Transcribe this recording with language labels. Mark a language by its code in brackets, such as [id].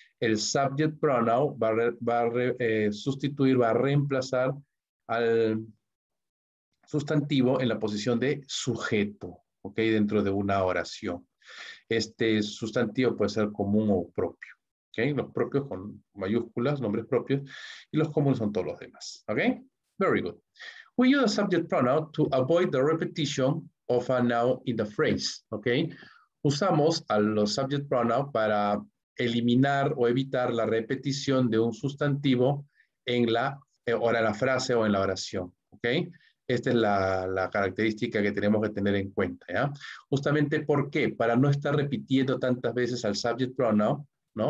[es] El subject pronoun va a reemplazar al sustantivo en la posición de sujeto, ¿ok? Dentro de una oración. Este sustantivo puede ser común o propio. Okay, los propios con mayúsculas, nombres propios, y los comunes son todos los demás. [en] Okay, very good. We use the subject pronoun to avoid the repetition of a noun in the phrase. [es] Okay, usamos a los subject pronoun para eliminar o evitar la repetición de un sustantivo en la frase o en la oración. Okay, esta es la característica que tenemos que tener en cuenta. ¿Ya? Justamente porque para no estar repitiendo tantas veces al subject pronoun, ¿no?